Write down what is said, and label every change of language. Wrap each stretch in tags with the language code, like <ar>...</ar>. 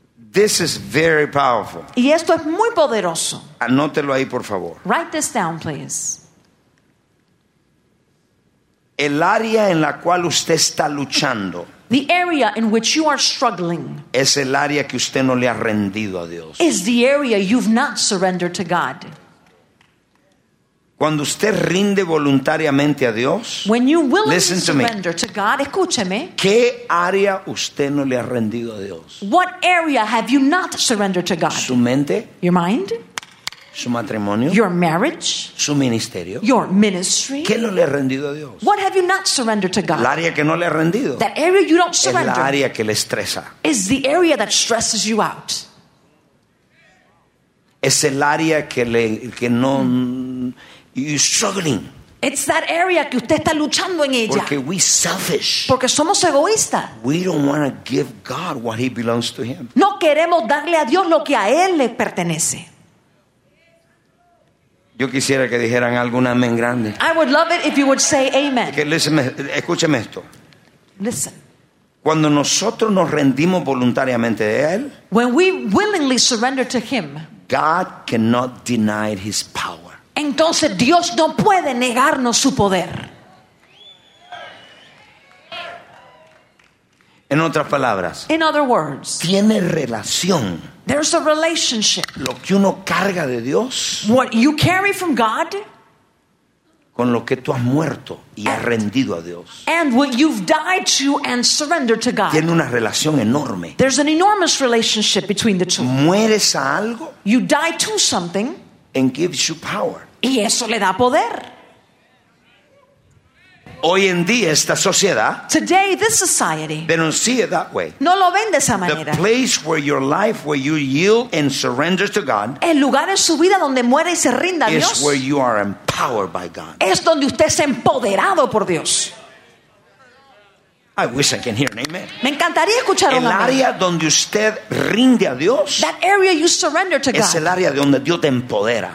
<en>This is very powerful.</en> <es>Y esto es muy poderoso. Anótelo ahí, por favor.</es> <en>Write this down, please.</en> <es>El área en la cual usted está luchando.</es> <en>The area in which you are struggling.</en> <es>Es el área que usted no le ha rendido a Dios.</es> <en>Is the area you've not surrendered to God.</en> <es>Cuando usted rinde voluntariamente a Dios,</es> <en>when you willingly surrender to God,</en> <es>escúcheme. ¿Qué área usted no le ha rendido a Dios?</es> <en>What area have you not surrendered to God?</en> <es>Su mente.</es> <en>Your mind.</en> <es>Su matrimonio.</es> <en>Your marriage.</en> <es>Su ministerio.</es> <en>Your ministry.</en> <es>¿Qué no le ha rendido a Dios?</es> <en>What have you not surrendered to God?</en> <es>El área que no le ha rendido.</es> <en>That area you don't surrender.</en> <es>Es la área que le estresa.</es> <en>Is the area that stresses you out.</en> <es>Es el área que le que no.</es> <en>You're struggling. It's that area</en> <es>que usted está luchando en ella. Porque</es> <en>we selfish.</en> <es>Porque somos egoístas.</es> <en>We don't want to give God what He belongs to Him.</en> <es>No queremos darle a Dios lo que a Él le pertenece. Yo quisiera que dijeran algún amén grande.</es> <en>I would love it if you would say amen.</en> <es>Que</es> <en>listen,</en> <es>escúcheme esto.</es> <en>Listen.</en> <es>Cuando nosotros nos rendimos voluntariamente a Él,</es> <en>when we willingly surrender to Him, God cannot deny His power.</en> <es>Entonces Dios no puede negarnos su poder. En otras palabras,</es> <en>in other words,</en> <es>tiene relación.</es> <en>There's a relationship.</en> <es>Lo que uno carga de Dios,</es> <en>what you carry from God,</en> <es>con lo que tú has muerto y has rendido a Dios,</es> <en>and what you've died to and surrendered to God,</en> <es>tiene una relación enorme.</es> <en>There's an enormous relationship between the two.</en> <es>Mueres a algo,</es> <en>you die to something, and gives you power.</en> <es>Y eso le da poder. Hoy en día esta sociedad,</es> <en>today this society, they don't see it that way.</en> <es>No lo ven de esa manera.</es> <en>The place where your life, where you yield and surrender to God,</en> <es>el lugar en su vida donde muere y se rinda a Dios,</es> <en>is where you are empowered by God.</en> <es>Es donde usted es empoderado por Dios.</es> <en>I wish I can hear an amen.</en> <es>Me encantaría escuchar un amén. El área donde usted rinde a Dios,</es> <en>that area you surrender to God,</en> <es>es el área donde Dios te empodera.</es>